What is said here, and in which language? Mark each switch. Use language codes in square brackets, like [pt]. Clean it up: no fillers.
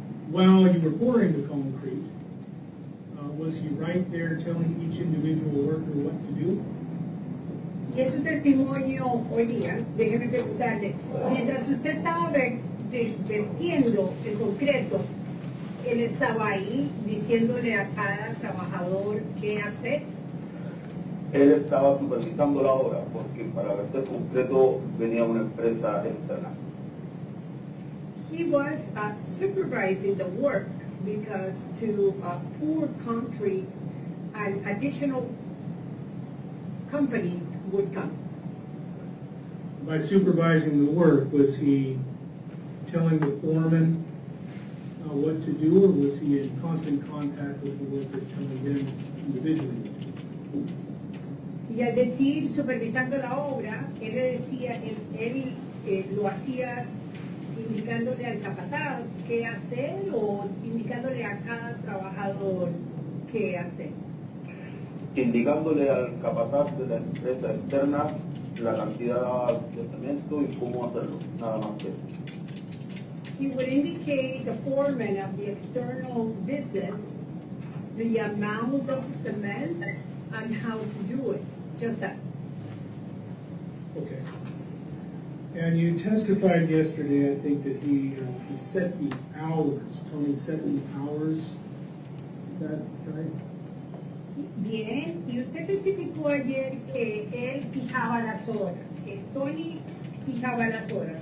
[en] While you were pouring the concrete, was he right there telling each individual worker what to do? [es] Y es su testimonio hoy día. Déjeme preguntarle. Mientras usted estaba vertiendo el concreto, él estaba ahí diciéndole a cada trabajador qué hacer. Él estaba supervisando la obra porque para verter concreto venía una empresa externa. [en] He was supervising the work because to pour concrete, an additional company would come. By supervising the work, was he telling the foreman what to do, or was he in constant contact with the workers telling them individually? [es] Y al decir supervisando la obra, él le decía, él lo hacía indicándole al capataz qué hacer o indicándole a cada trabajador qué hacer. Indicándole al capataz de la empresa externa la cantidad de cemento y cómo hacerlo, nada más que eso. [en] He would indicate the foreman of the external business the amount of cement and how to do it, just that. Okay. And you testified yesterday, I think, that he set the hours. Tony set the hours. Is that right? [es] Bien, y usted testificó ayer que él fijaba las horas, que Tony fijaba las horas.